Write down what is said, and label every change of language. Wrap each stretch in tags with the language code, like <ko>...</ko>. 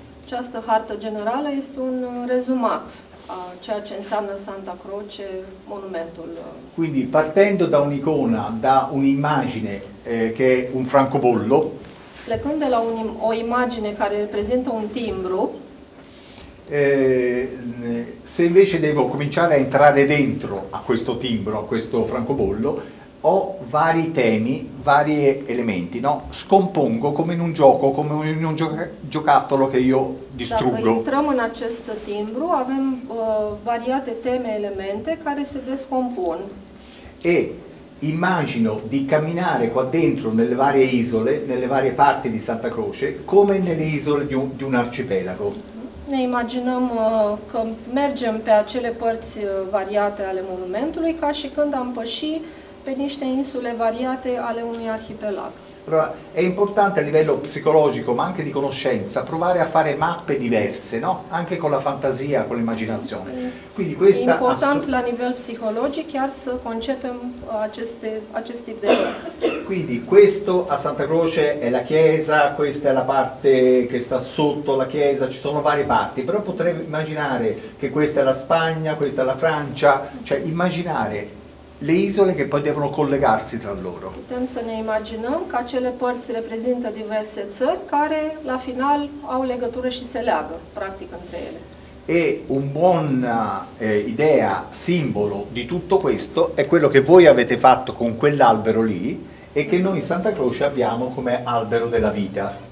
<ro>Această hartă generală este un rezumat a ceea ce înseamnă Santa Croce, monumentul.</ro> <it>Quindi partendo da un'icona, da un'immagine che è un francobollo.</it> <ro>Plecând de la o imagine care reprezintă un timbru.</ro> <it>Se invece devo cominciare a entrare dentro a questo timbro, a questo francobollo, ho vari temi, vari elementi, no? Scompongo come in un gioco, come in un giocattolo che io distruggo.</it> <ro>Dacă intrăm în acest timbru, avem variate teme, elemente care se descompun. E</ro> <it>immagino di camminare qua dentro nelle varie isole, nelle varie parti di Santa Croce, come nelle isole di un arcipelago.</it> <ro>Ne immaginăm că mergem pe acele părți variate ale monumentului ca și când am păși pe niște insule variate ale unui arhipelag.</ro> <it>Però è importante a livello psicologico, ma anche di conoscenza, provare a fare mappe diverse, no? Anche con la fantasia, con l'immaginazione. Quindi questa è importante a livello psicologico,</it> <ro>chiar să concepem acest tip de lucruri.</ro> <it>Quindi questo a Santa Croce è la chiesa, questa è la parte che sta sotto la chiesa, ci sono varie parti, però potrei immaginare che questa è la Spagna, questa è la Francia, cioè immaginare le isole che poi devono collegarsi tra loro.</it> <ro>Putem să ne imaginăm că acele părți reprezintă diverse țări care la final au legătură și se leagă practic între ele.</ro> <it>E un buon idea, simbolo di tutto questo è quello che voi avete fatto con quell'albero lì e che noi in Santa Croce abbiamo come albero della vita.</it>